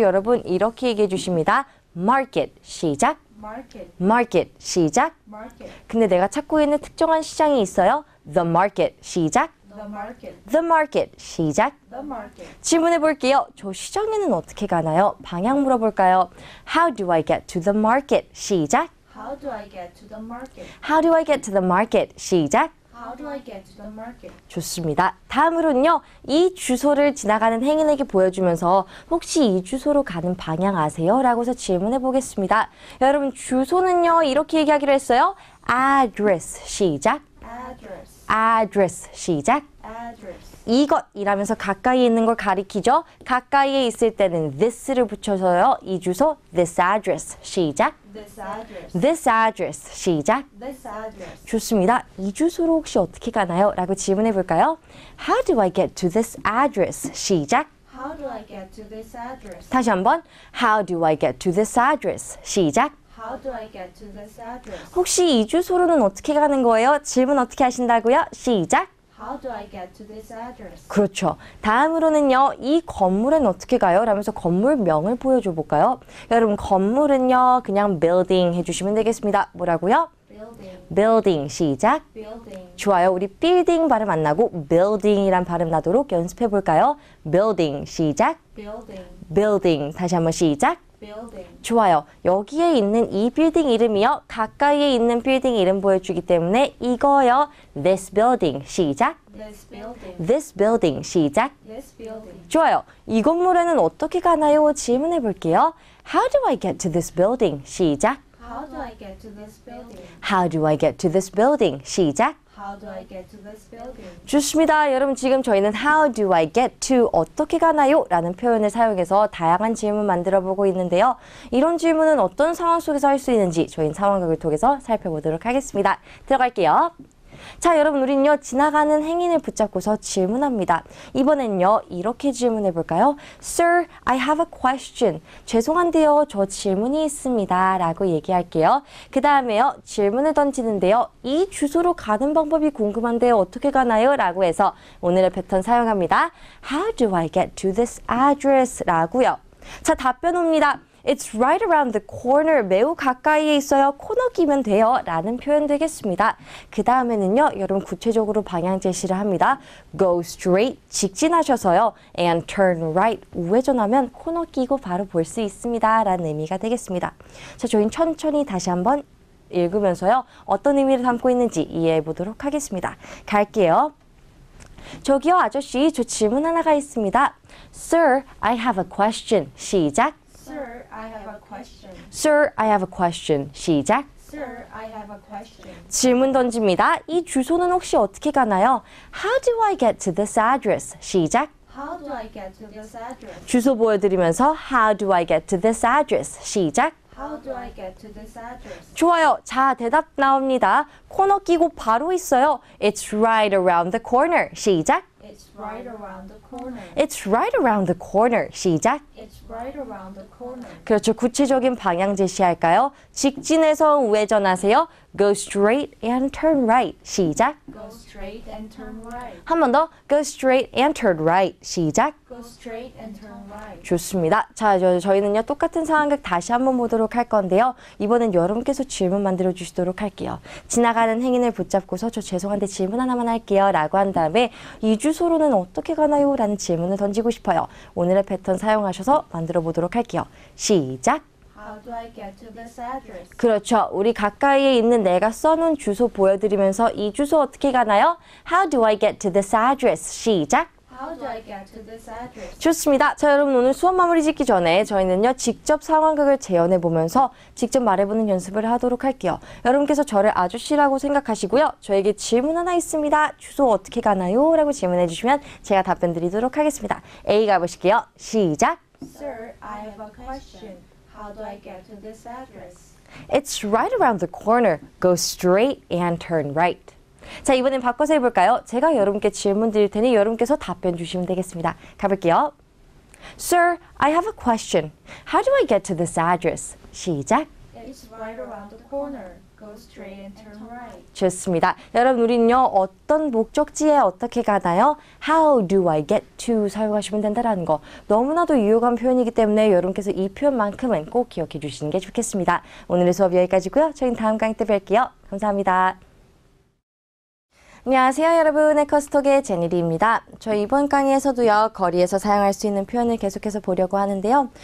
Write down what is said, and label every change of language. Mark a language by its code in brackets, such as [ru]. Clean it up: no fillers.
[ko] 여러분 이렇게 얘기해 주십니다. [en] Market. [ko] 시작. [en] Market. Market. [ko] 시작. [en] Market. [ko] 근데 내가 찾고 있는 특정한 시장이 있어요. [en] The market. [ko] 시작. [en] The The market. The market. [ko] 시작. [en] The market. [ko] 질문해 볼게요. 저 시장에는 어떻게 가나요? 방향 물어볼까요? [en] How do I get to the market? [ko] 시작. [en] How do I get to the market? How do I get to the market? [ko] 시작. [en] How do I get to the market? [ko] 좋습니다. 다음으로는요. 이 주소를 지나가는 행인에게 보여주면서 혹시 이 주소로 가는 방향 아세요? 라고서 질문해 보겠습니다. 여러분 주소는요. 이렇게 얘기하기로 했어요. [en] Address. [ko] 시작. [en] Address. Address. [ko] 시작. [en] Address. [ko] 이것이라면서 가까이 있는 걸 가리키죠. 가까이에 있을 때는 this를 붙여서요. 이 주소 [en] this address. [ko] 시작. [en] This address. This address. [ko] 시작. [en] This address. [ko] 좋습니다. 이 주소로 혹시 어떻게 가나요? 라고 질문해 볼까요? [en] How do I get to this address? [ko] 시작. [en] How do I get to this address? [ko] 다시 한번. [en] How do I get to this address? [ko] 시작. [en] How do I get to this address? [ko] 혹시 이 주소로는 어떻게 가는 거예요? 질문 어떻게 하신다고요? 시작! [en] How do I get to this address? [ko] 그렇죠. 다음으로는요. 이 건물은 어떻게 가요? 라면서 건물명을 보여줘 볼까요? 여러분 건물은요. 그냥 building 해주시면 되겠습니다. 뭐라고요? [en] Building. Building. [ko] 시작! [en] Building. [ko] 좋아요. 우리 building 발음 안 나고 building이란 발음 나도록 연습해 볼까요? [en] Building. [ko] 시작! [en] Building. Building. [ko] 다시 한번 시작! [en] Building. [ko] 좋아요. 여기에 있는 이 빌딩 이름이요. 가까이에 있는 빌딩 이름 보여주기 때문에 이거요. [en] This building. [ko] 시작. [en] This building. This building. [ko] 시작. [en] This building. [ko] 좋아요. 이 건물에는 어떻게 가나요? 질문해 볼게요. [en] How do I get to this building? [ko] 시작. [en] How do I get to this building? How do I get to this building? [ko] 시작. [en] How do I get to this building? [ko] 좋습니다. 여러분 지금 저희는 [en] How do I get to [ko] 어떻게 가나요? 라는 표현을 사용해서 다양한 질문 만들어보고 있는데요. 이런 질문은 어떤 상황 속에서 할 수 있는지 저희는 상황극을 통해서 살펴보도록 하겠습니다. 들어갈게요. 자 여러분 우리는요 지나가는 행인을 붙잡고서 질문합니다. 이번엔요 이렇게 질문해 볼까요? [en] Sir, I have a question. [ko] 죄송한데요 저 질문이 있습니다 라고 얘기할게요. 그 다음에요 질문을 던지는데요 이 주소로 가는 방법이 궁금한데 어떻게 가나요? 라고 해서 오늘의 패턴 사용합니다. [en] How do I get to this address? [ko] 라고요. 자 답변 옵니다. [en] It's right around the corner. [ko] 매우 가까이에 있어요. 코너기면 돼요. 라는 표현 되겠습니다. 그 다음에는요. 여러분 구체적으로 방향 제시를 합니다. [en] Go straight. [ko] 직진하셔서요. [en] And turn right. [ko] 우회전하면 코너 끼고 바로 볼 수 있습니다. 라는 의미가 되겠습니다. 자, 저희는 천천히 다시 한번 읽으면서요. 어떤 의미를 담고 있는지 이해해 보도록 하겠습니다. 갈게요. 저기요, 아저씨. 저 질문 하나가 있습니다. [en] Sir, I have a question. [ko] 시작. [en] Sir, I have a question. Sir, I have a question. [ko] 시작. [en] Sir, I have a question. [ko] 질문 던집니다. 이 주소는 혹시 어떻게 가나요? [en] How do I get to this address? [ko] 시작. [en] How do I get to this address? [ko] 주소 보여드리면서 [en] How do I get to this address? [ko] 시작. [en] How do I get to this address? [ko] 좋아요. 자, 대답 나옵니다. 코너 끼고 바로 있어요. [en] It's right around the corner. [ko] 시작. [en] It's right around the corner. It's right around the corner. [ko] 시작. [en] It's right around the corner. [ko] 그렇죠. 구체적인 방향 제시할까요? 직진해서 우회전하세요. [en] Go straight and turn right. [ko] 시작. [en] Go straight and turn right. [ko] 한 번 더. [en] Go straight and turn right. [ko] 시작. [en] Go straight and turn right. [ko] 좋습니다. 자, 저희는요 똑같은 상황극 다시 한번 보도록 할 건데요. 이번엔 여러분께서 질문 만들어 주시도록 할게요. 지나가는 행인을 붙잡고서 저 죄송한데 질문 하나만 할게요. 라고 한 다음에 이 주소로는 어떻게 가나요? 라는 질문을 던지고 싶어요. 오늘의 패턴 사용하셔서 만들어 보도록 할게요. 시작. [en] How do I get to this address? [ko] 그렇죠. 우리 가까이에 있는 내가 써놓은 주소 보여드리면서 이 주소 어떻게 가나요? [en] How do I get to this address? [ko] 시작. [en] How do I get to this address? [ko] 좋습니다. 자, 여러분 오늘 수업 마무리 짓기 전에 저희는요 직접 상황극을 재현해 보면서 직접 말해보는 연습을 하도록 할게요. 여러분께서 저를 아저씨라고 생각하시고요. 저에게 질문 하나 있습니다. 주소 어떻게 가나요? 라고 질문해 주시면 제가 답변 드리도록 하겠습니다. A 가보실게요. 시작. [en] Sir, I have a question. How do I get to this address? It's right around the corner. Go straight and turn right. [ko] 자, 이번엔 바꿔서 해볼까요? 제가 여러분께 질문 드릴 테니 여러분께서 답변 주시면 되겠습니다. 가볼게요. [en] Sir, I have a question. How do I get to this address? [ko] 시작. [en] It's right around the corner. Go straight and turn right. [ko] 좋습니다. 여러분, 우리는요, 어떤 목적지에 어떻게 가나요? [en] How do I get to [ko] 사용하시면 된다라는 거. 너무나도 유용한 표현이기 때문에 여러분께서 이 표현만큼은 꼭 기억해 주시는 게 좋겠습니다. 오늘의 수업 여기까지고요. 저희는 다음 강의 때 뵐게요. 감사합니다. 안녕하세요, 여러분. 에커스톡의 제니리입니다. 저희 이번 강의에서도요, 거리에서 사용할 수 있는 표현을 계속해서 보려고 하는데요.